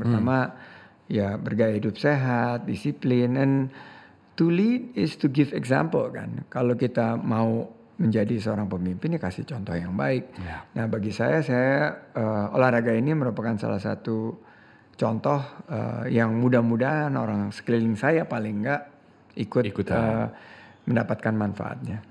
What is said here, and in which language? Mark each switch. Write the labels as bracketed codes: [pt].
[id] Pertama ya bergaya hidup sehat, disiplin. [en] And to lead is to give example kan. [id] Kalau kita mau menjadi seorang pemimpin ya kasih contoh yang baik. Nah bagi saya olahraga ini merupakan salah satu contoh yang mudah-mudahan orang sekeliling saya paling enggak ikut mendapatkan manfaatnya.